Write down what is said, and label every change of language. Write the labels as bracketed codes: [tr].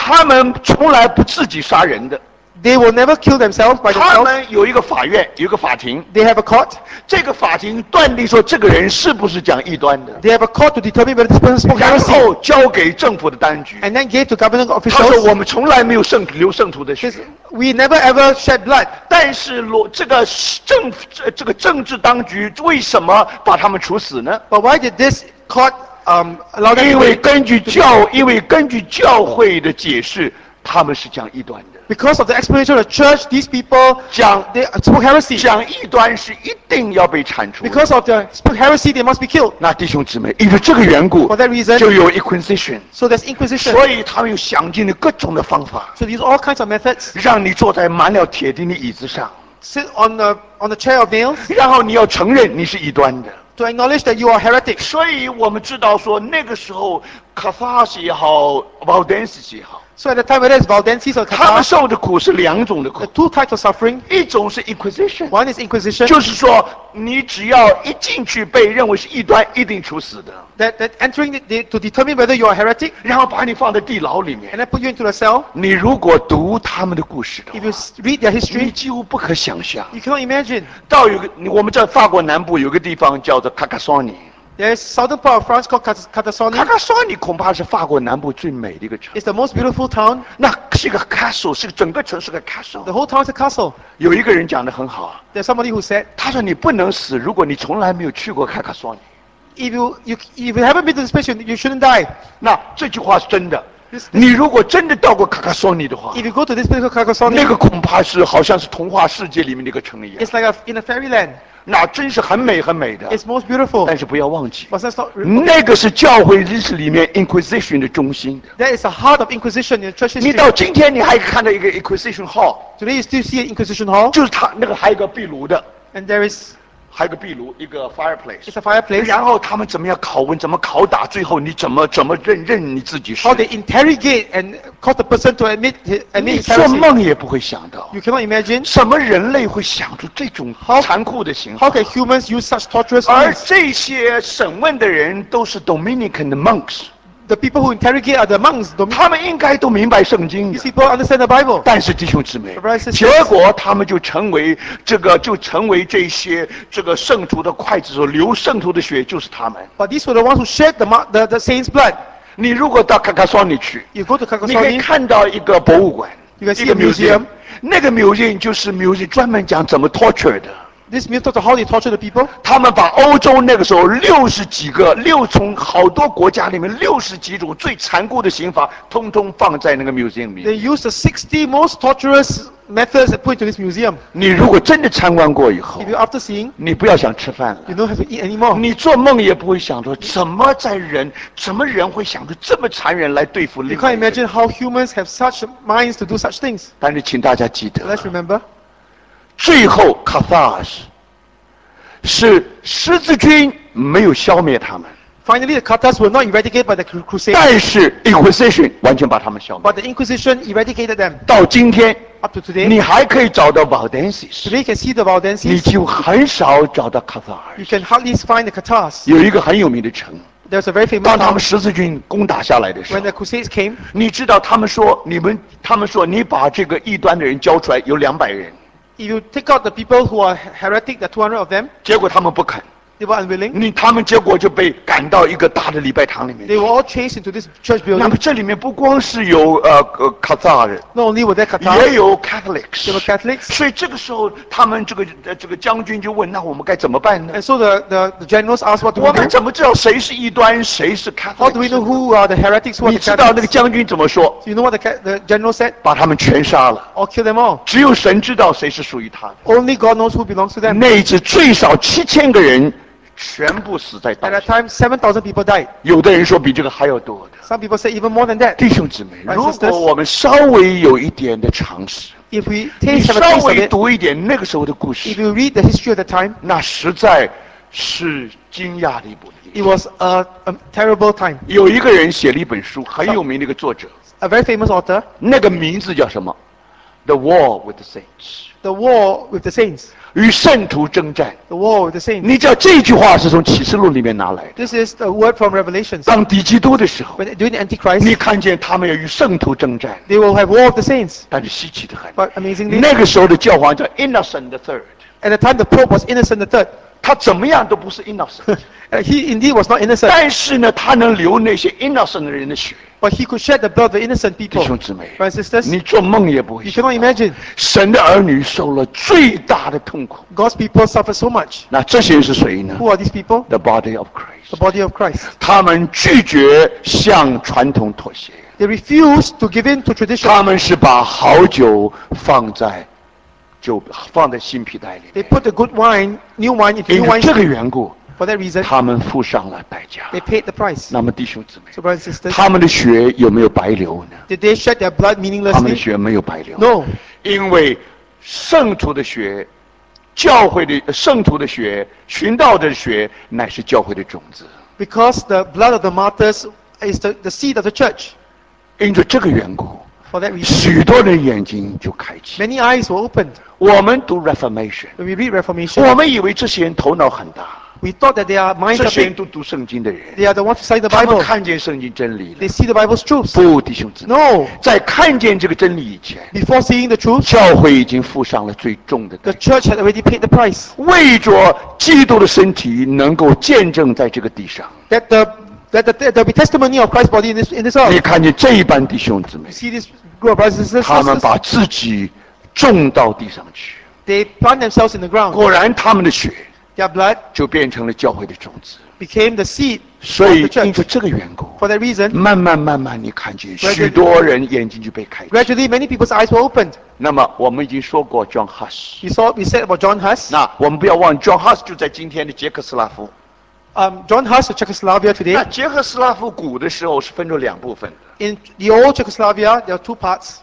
[zh] 他们从来不自己杀人的。 [en] They will never kill themselves by themselves. [zh] 他们有一个法院，有一个法庭。 [en] They have a court. [zh] 这个法庭断定说这个人是不是讲异端的。 [en] They have a court to determine whether this person spoke heresy. [zh] 然后交给政府的当局。 [en] And then gave to government officials. [zh] 他说我们从来没有流圣徒的血。 [en] We never ever shed blood. [zh] 但是这个政治当局为什么把他们处死呢 [en] ？But why did this court allow them? [zh] 因为根据教会的解释，他们是讲异端的。 [en] Because of the explanation of the church, these people spoke heresy. [zh] 讲异端是一定要被铲除。 [en] Because of the spoke heresy, they must be killed. [zh] 那弟兄姊妹，因为这个缘故 [en] ，for that reason, [zh] 就有 Inquisition. [en] So there's Inquisition. [zh] 所以他们有想尽了各种的方法。 [en] So these all kinds of methods. [zh] 让你坐在满了铁钉的椅子上。 [en] Sit on the chair of nails. [zh] 然后你要承认你是异端的。 [en] To acknowledge that you are heretic. [zh] 所以我们知道说那个时候 ，Cathars 也好 ，Valdenses 也好。 [en] So at the time, whether it's Valdenses or Cathars, [zh] 他们受的苦是两种的苦。 [en] The two types of suffering. [zh] 一种是 Inquisition. [en] One is Inquisition. [zh] 就是说，你只要一进去被认为是异端，一定处死的。 [en] That entering to determine whether you are heretic. [zh] 然后把你放在地牢里面。 [en] And then put you into the cell. [zh] 你如果读他们的故事的话 [en] ，If you read their history, [zh] 你几乎不可想象。 [en] You cannot imagine. [zh] 到有个我们在法国南部有个地方叫做 Carcassonne. [en] There's southern part of France called Carcassonne. [zh] Carcassonne 恐怕是法国南部最美的一个城。 [en] It's the most beautiful town. [zh] 那是个 castle， 是个整个城市个 castle。 [en] The whole town is a castle. [zh] 有一个人讲得很好。 [en] There's somebody who said. [zh] 他说你不能死，如果你从来没有去过 Carcassonne。 [en] If you haven't been to this place, you shouldn't die. [zh] 那这句话是真的。你如果真的到过卡卡索尼的话， [en] If you go to this place called Carcassonne, [zh] 那个恐怕是好像是童话世界里面的一个城一样。 [en] It's like in a fairyland. [zh] 那真是很美很美的。 [en] It's most beautiful. [zh] 但是不要忘记， [en] But let's not, [zh] 那个是教会历史里面 Inquisition 的中心。 [en] That is the heart of Inquisition in the church history. [zh] 你到今天你还看到一个 Inquisition Hall. [en] Today you still see an Inquisition Hall. [zh] 就是它那个还有一个壁炉的。 [en] And there is. [zh] 还有个壁炉，一个 fireplace。 [en] It's a fireplace。 [zh] 然后他们怎么样拷问，怎么拷打，最后你怎么认你自己是 [en] ？How they interrogate and cause the person to admit himself？ [zh] 你做梦也不会想到。 [en] You cannot imagine。 [zh] 什么人类会想出这种残酷的刑法 [en] ？How can humans use such torturous？ [zh] 而这些审问的人都是 [en] Dominican monks。 The people who interrogate are the monks. [zh] 他们应该都明白圣经。 [en] These people understand the Bible. [zh] 但是弟兄姊妹，结果他们就成为这个，就成为这些这个圣徒的刽子手，流圣徒的血就是他们。 [en] But these were the ones who shed the saints' blood. [zh] 你如果到卡卡桑尼去，你可以看到一个博物馆，一个 [en] museum. [zh] 那个 museum 就是 museum 专门讲怎么 torture 的。 [en] This means that how they torture the people. [zh] 他们把欧洲那个时候六从好多国家里面六十几种最残酷的刑法，通通放在那个 museum 里。 [en] They use the 60 most torturous methods put into this museum. [zh] 你如果真的参观过以后 [en] ，If you after seeing, [zh] 你不要想吃饭了。 [en] You don't have to eat anymore. [zh] 你做梦也不会想说，怎么人会想出这么残忍来对付另外一个人。 [en] You can't imagine how humans have such minds to do such things. [zh] 但是请大家记得。 [en] Let's remember. [zh] 最后 ，Cathars 是十字军没有消灭他们。 [en] Finally, the Cathars were not eradicated by the Crusade. [zh] 但是 Inquisition 完全把他们消灭。 [en] But the Inquisition eradicated them. [zh] 到今天 [en] ，up to today， [zh] 你还可以找到 Waldenses. [en] Today you can see the Waldenses. [zh] 你就很少找到 Cathars. [en] You can hardly find the Cathars. [zh] 有一个很有名的城。 [en] There's a very famous. [zh] 当他们十字军攻打下来的时候 [en] ，When the Crusades came， [zh] 你知道他们说你把这个异端的人交出来，有200人。 [en] If you take out the people who are heretic, the 200 of them, [zh] 结果他们不肯 [en] they were unwilling. [zh] 他们结果就被赶到一个大的礼拜堂里面。 [en] They were all chased into this church building. [zh] 那么这里面不光是有Cathar 人 [en] ，Not only were there Cathar, [zh] 也有 Catholics. [en] There were Catholics. [zh] 所以这个时候，他们这个将军就问：那我们该怎么办呢 [en] ？And so the generals asked, "What do we do?" [zh] 我们怎么知道谁是异端，谁是 Catholic? [en] How do we know who are the heretics? Who are the Catholics? [zh] 你知道那个将军怎么说 [en] ？You know what the general said? [zh] 把他们全杀了。 [en] All kill them all. [zh] 只有神知道谁是属于他的。 [en] Only God knows who belongs to them. [zh] 那一次最少7000个人。全部死在当下。 [en] At that time, 7,000 people died. [zh] 有的人说比这个还要多的。 [en] Some people say even more than that. [zh] 弟兄姊妹，如果我们稍微有一点的常识 [en] ，If we take some time, [zh] 稍微读一点那个时候的故事 [en] ，If you read the history of the time, [zh] 那实在是惊讶的一部。 [en] It was a terrible time. [zh] 有一个人写了一本书，很有名的一个作者 [en] ，A very famous author. [zh] 那个名字叫什么 [en] ？The War with the Saints. The War with the Saints. [zh] 与圣徒征战。 [en] The war with the saints. [zh] 你知道这句话是从启示录里面拿来的。 [en] This is the word from Revelation. [zh] 当敌基督的时候。 [en] When during the Antichrist. [zh] 你看见他们要与圣徒征战。 [en] They will have war with the saints. [zh] 但是稀奇的很。 [en] But amazingly. [zh] 那个时候的教皇叫 Innocent the Third. [en] At the time the Pope was Innocent the Third. [zh] 他怎么样都不是 Innocent. [en] He indeed was not innocent. [zh] 但是呢，他能流那些 Innocent 的人的血。 [en] But he could shed the blood of innocent people. [zh] 弟兄姊妹 [en] ，brothers and sisters， [zh] 你做梦也不会。 [en] You cannot imagine. [zh] 神的儿女受了最大的痛苦。 [en] God's people suffer so much. [zh] 那这些人是谁呢 [en] ？Who are these people? The body of Christ. The body of Christ. [zh] 他们拒绝向传统妥协。 [en] They refuse to give in to tradition. [zh] 他们是把好酒放在。就放在新皮袋里面。 [en] They put the good wine, new wine, into new wine. [zh] 因为这个缘故 [en] ，for that reason, [zh] 他们付上了代价。 [en] They paid the price. [zh] 那么弟兄姊妹 [en] ，so brothers and sisters, [zh] 他们的血有没有白流呢 [en] ？Did they shed their blood meaninglessly? [zh] 他们的血没有白流。 [en] No. [zh] 因为圣徒的血，教会的圣徒的血，殉道的血，乃是教会的种子。 [en] Because the blood of the martyrs is the seed of the church. [zh] 因着这个缘故。 [en] For that reason, [zh] 许多人眼睛就开启。 [en] Many eyes were opened. [zh] 我们读 Reformation. [en] When we read Reformation, [zh] 我们以为这些人头脑很大。 [en] we thought that they are minds of men. [zh] 读圣经的人。 [en] They are the ones who study the Bible. [zh] 他们看见圣经真理了。 [en] They see the Bible's truth. [zh] 不，弟兄姊妹。 [en] No. [zh] 在看见这个真理以前。 [en] Before seeing the truth. [zh] 教会已经付上了最重的代价。 [en] The church had already paid the price. [zh] 为着基督的身体能够见证在这个地上。 [en] That the testimony of Christ's body in this earth. [zh] 你看见这一班弟兄姊妹。 [en] You see this group of brothers and sisters. [zh] 他们把自己种到地上去。 [en] They plant themselves in the ground. [zh] 果然他们的血 [en] Their blood [zh] 就变成了教会的种子 [en] became the seed of the church. [zh] 所以因着这个缘故 [en] For that reason, [zh] 慢慢慢慢你看见许多人眼睛就被开启 [en] Gradually, many people's eyes were opened. [zh] 那么我们已经说过 John Huss. [en] We said about John Huss. [zh] 那我们不要忘 John Huss 就在今天的捷克斯拉夫 [en] John Huss of Czechoslovakia today. [zh] 那捷克斯拉夫古的时候是分成两部分 [en] In the old Czechoslovakia, there are two parts.